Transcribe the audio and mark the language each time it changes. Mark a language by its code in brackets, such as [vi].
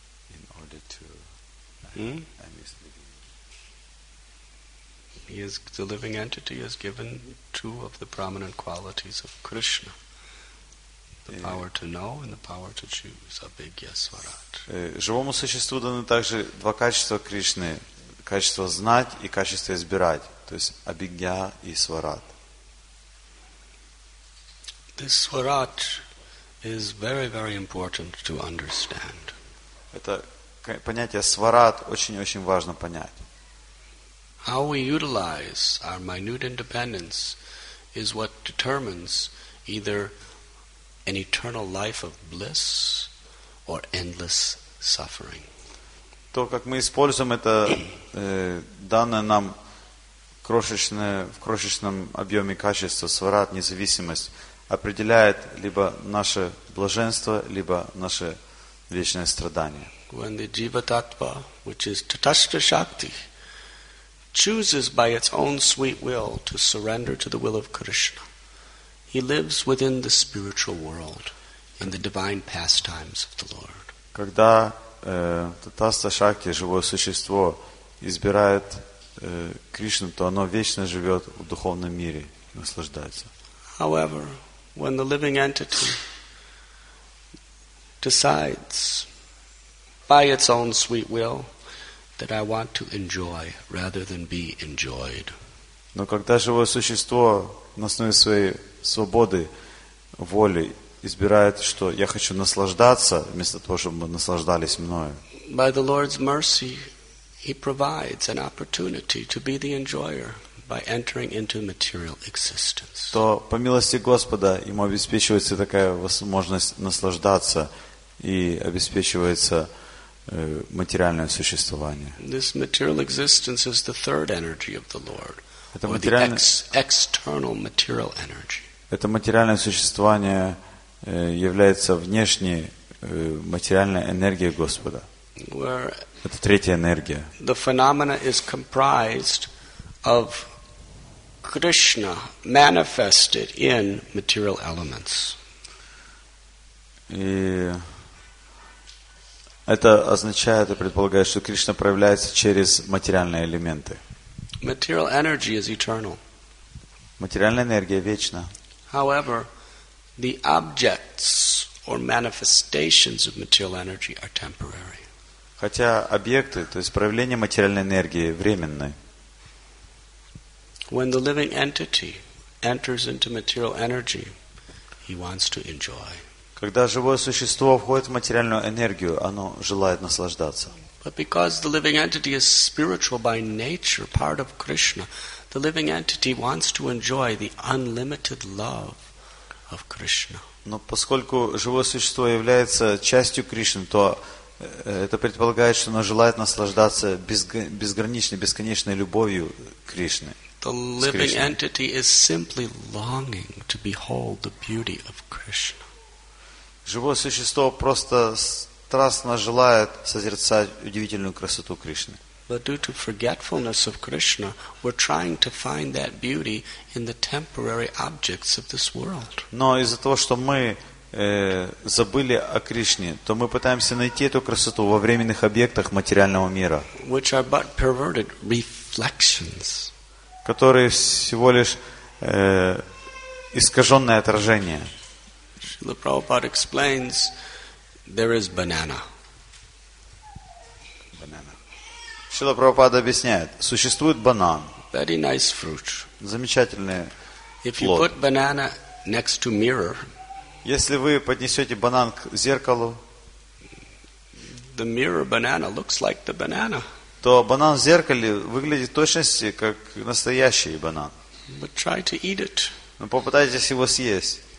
[en] In order to, I miss the beginning. The living entity is given two of the prominent qualities of Krishna. The power to know and the power to choose. Abhigya Swarat. [ru] Живому существу даны также два качества Кришны. Качество знать и качество избирать. То есть Абхигья и Сварат. [en] This Swarat is very, very important to understand. [ru] Это понятие Сварат очень-очень важно понять. [en] How we utilize our minute independence is what determines either an eternal life of bliss or endless suffering. [ru] То, как мы используем это данное нам крошечное в крошечном объеме качество сварат, независимость, определяет либо наше блаженство, либо наше вечное страдание. [en] When the jiva tattva, which is tatastha shakti, chooses by its own sweet will to surrender to the will of Krishna, he lives within the spiritual world and the divine pastimes of the Lord. [ru] Когда татаста шакти, живое существо, избирает Кришну, то оно вечно живет в духовном мире, наслаждается. [en] However, when the living entity decides by its own sweet will that I want to enjoy rather than be enjoyed. [ru] Но когда живое существо на основе своей свободы воли избирает, что я хочу наслаждаться вместо того, чтобы мы наслаждались мною. [en] By the Lord's mercy, he provides an opportunity to be the enjoyer by entering into material existence. [ru] То по милости Господа ему обеспечивается такая возможность наслаждаться и обеспечивается материальное существование. [en] This material existence is the third energy of the Lord, or the external material energy. [ru] Это материальное существование является внешней материальной энергией Господа. Это третья энергия. [en] The phenomena is comprised of Krishna manifested in material elements. [ru] Это означает и предполагает, что Кришна проявляется через материальные элементы. [en] Material energy is eternal. [ru] Материальная энергия вечна. [en] However, the objects or manifestations of material energy are temporary. [ru] Хотя объекты, то есть проявления материальной энергии, временны. [en] When the living entity enters into material energy, he wants to enjoy. [ru] Когда живое существо входит в материальную энергию, оно желает наслаждаться. [en] But because the living entity is spiritual by nature, part of Krishna, the living entity wants to enjoy the unlimited love of Krishna. [ru] Но поскольку живое существо является частью Кришны, то это предполагает, что оно желает наслаждаться безграничной, бесконечной любовью Кришны. [en] The living entity is simply longing to behold the beauty of Krishna. [ru] Живое существо просто страстно желает созерцать удивительную красоту Кришны. [en] But due to forgetfulness of Krishna, we're trying to find that beauty in the temporary objects of this world. [ru] Но из-за того, что мы забыли о Кришне, то мы пытаемся найти эту красоту во временных объектах материального мира, [en] which are but perverted reflections, [ru] которые всего лишь искаженное отражение. [en] Srila Prabhupada explains, there is banana. Banana. [ru] Srila Prabhupada объясняет, существует банан. [en] Very nice fruit. [ru] Замечательный плод. [en] If you put banana next to mirror, [ru] если вы поднесете банан к зеркалу, [en] the mirror banana looks like the banana. [ru] То банан в зеркале выглядит в точности как настоящий банан. [en] But try to eat it. [ru] Но попытайтесь его съесть.